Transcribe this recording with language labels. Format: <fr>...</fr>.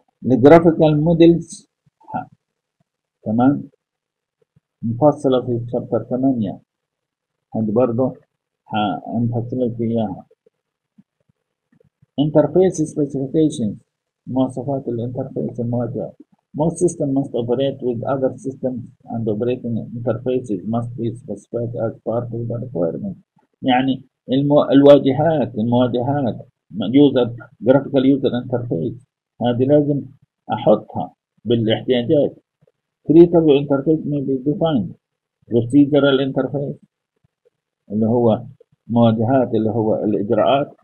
<en>The graphical models,</en> <ar>تمام, مفصلة في chapter 8 هاد برضو هنفصل فيها.</ar> <en>Interface specifications,</en> <ar>مواصفات الانترفيس المواجهة.</ar> <en>Most systems must operate with other systems and operating interfaces must be specified as part of the requirement.</en> <ar>يعني المواجهات</ar> <en>user graphical user interface</en> <ar>هذه لازم احطها بالاحتياجات.</ar> <en>Creative interface may be defined. Procedural interface</en> <ar>اللي هو مواجهات اللي هو الاجراءات.</ar>